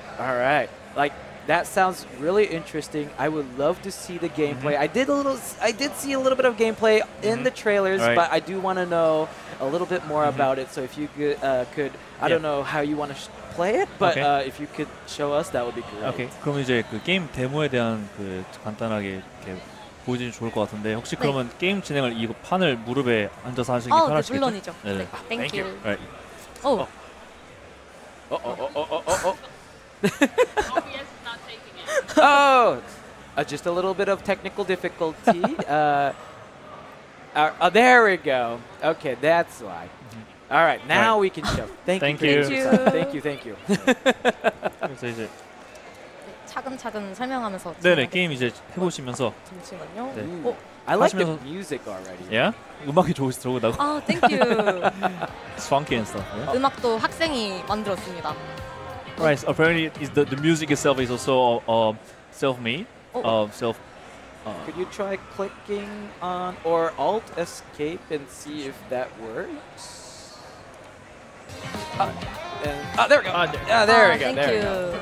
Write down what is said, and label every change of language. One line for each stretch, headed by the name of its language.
English: All right. Like, that sounds really interesting. I would love to see the gameplay. Mm-hmm. I did see a little bit of gameplay in the trailers, right. But I do want to know a little bit more about it. So if you could, I don't know how you want to play it, but okay. If you could show us, that would be great. Okay.
Korean: 그럼 이제 그 게임 데모에 대한 그 간단하게 이렇게 보여주면 좋을 것 같은데 혹시 네. 그러면 게임 진행을 이 판을 무릎에 앉아서 하시는 게 편하시겠죠? 네, 물론이죠. 네.
English: Thank you. All right. Just a little bit of technical difficulty. there we go. Okay, that's why. Mm-hmm. All right, now we can show. Thank you.
Korean: 그래서 이제 차근차근 설명하면서 네네 게임 이제 해보시면서 잠시만요. 네.
English: I like the music already.
Korean: Yeah? 음악이 좋으시다고.
English: Oh, thank you. It's funky and stuff. Yeah?
Korean: 음악도 학생이 만들었습니다.
English: Right. So apparently, the music itself is also self-made. Could you try clicking on or Alt Escape and see if that works? There we go.